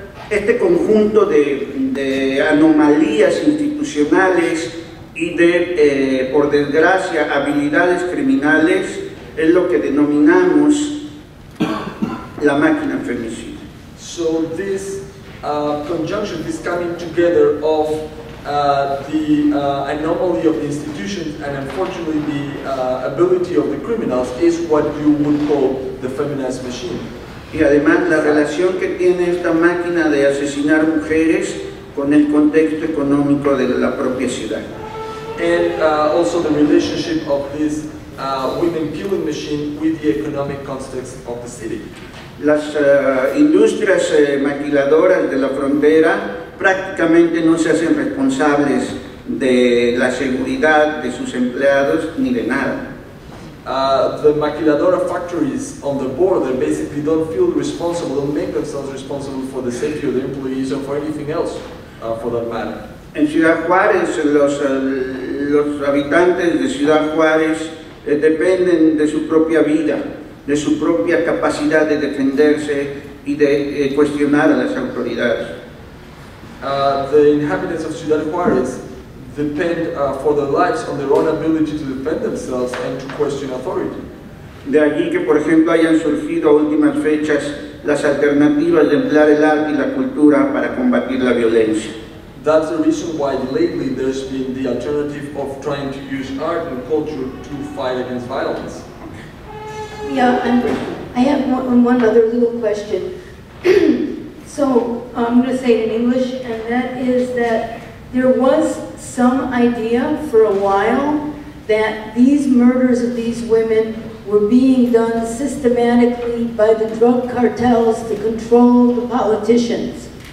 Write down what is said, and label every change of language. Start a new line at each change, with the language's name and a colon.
Spanish: Este conjunto de anomalías institucionales y de, por desgracia, habilidades criminales es lo que denominamos la máquina femicida.
English: So, this conjunction, this coming together of the anomaly of the institutions and unfortunately the ability of the criminals is what you would call the feminist machine.
Spanish: Y además la relación que tiene esta máquina de asesinar mujeres con el contexto económico de la propia ciudad.
English: And also the relationship of this women killing machine with the economic context of the city.
Spanish: Las industrias maquiladoras de la frontera prácticamente no se hacen responsables de la seguridad de sus empleados ni de nada.
English: The maquiladora factories on the border basically don't feel responsible, don't make themselves responsible for the safety of the employees or for anything else for that matter.
Spanish: En Ciudad Juárez, los habitantes de Ciudad Juárez dependen de su propia vida, de su propia capacidad de defenderse y de cuestionar a las autoridades.
English: The inhabitants of Ciudad Juárez depend for their lives on their own ability to defend themselves and to question authority.
Spanish: De allí que, por ejemplo, hayan surgido a últimas fechas las alternativas de emplear el arte y la cultura para combatir la violencia.
English: That's the reason why lately there's been the alternative of trying to use art and culture to fight against violence. Yeah, I have one other little question. So I'm going to say it in English, and that is that there was some idea for a while that these murders of these women were being done systematically by the drug cartels to control the politicians.